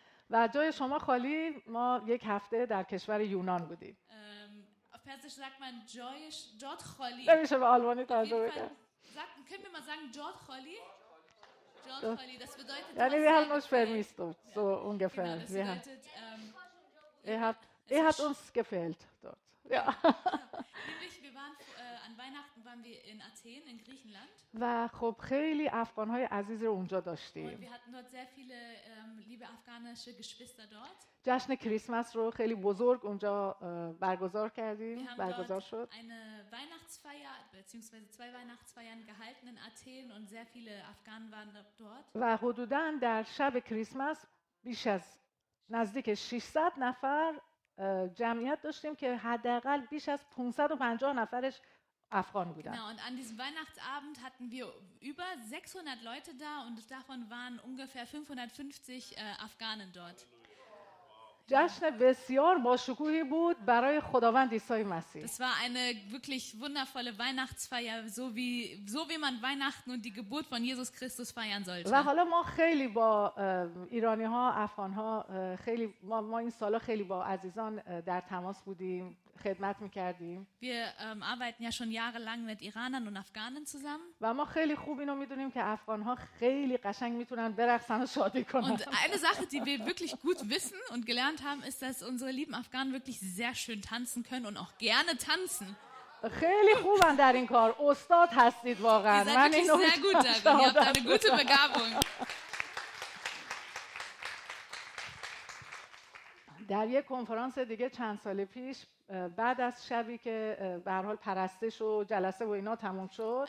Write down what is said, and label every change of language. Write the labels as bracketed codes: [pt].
[fa] و جای شما خالی، ما یک هفته در کشور یونان بودیم. [de] Persisch sagt man joyisch dort خالی. [fa] نمیشه به آلمانی ترجمه کرد. [de] Können wir mal sagen dort خالی؟ Dort خالی. Das bedeutet, yani wir haben uns vermisst dort, so ja. ungefähr. Genau, das bedeutet, er hat uns gefehlt dort. Ja. Nämlich, wir waren an Weihnachten waren wir in Athen, in Griechenland. [fa] خب خیلی افغان‌های عزیز رو اونجا داشتیم. [de] Wir hatten dort sehr viele liebe afghanische Geschwister dort. [fa] جشن کریسمس رو خیلی بزرگ اونجا برگزار کردیم. برگزار شد. [de] Eine Weihnachtsfeier bzw. zwei Weihnachtsfeiern gehalten in Athen und sehr viele Afghanen waren dort. [fa] و حدوداً در شب کریسمس بیش از نزدیک 600 نفر جمعیت داشتیم که حداقل بیش از 550 نفرش افغان بودن. [de] Genau, und an diesem Weihnachtsabend hatten wir über 600 Leute da und davon waren ungefähr 550 Afghanen dort. [fa] جشن بسیار باشکوهی بود برای خداوند عیسی مسیح. [de] Es war eine wirklich wundervolle Weihnachtsfeier, so wie man Weihnachten und die Geburt von Jesus Christus feiern sollte. [fa] و حالا ما خیلی با ایرانی ها، افغان ها خیلی ما این سالا خیلی با عزیزان در تماس بودیم، خدمت می‌کردیم. [de] Wir arbeiten ja schon jahrelang mit Iranern und Afghanen zusammen. [fa] و ما خیلی خوب اینو می‌دونیم که افغان‌ها خیلی قشنگ می‌تونن برقصن و شادی کنن. [de] Und eine Sache, die wir wirklich gut wissen und gelernt haben, ist, dass unsere lieben Afghanen wirklich sehr schön tanzen können und auch gerne tanzen. [fa] خیلی خوبن در این کار. استاد هستید واقعا. من اینو می‌دونم. [de] Ihr habt eine gute Begabung. [fa] در یک کنفرانس دیگه چند سال پیش بعد از شبی که به هر حال پرستش و جلسه و اینا تموم شد،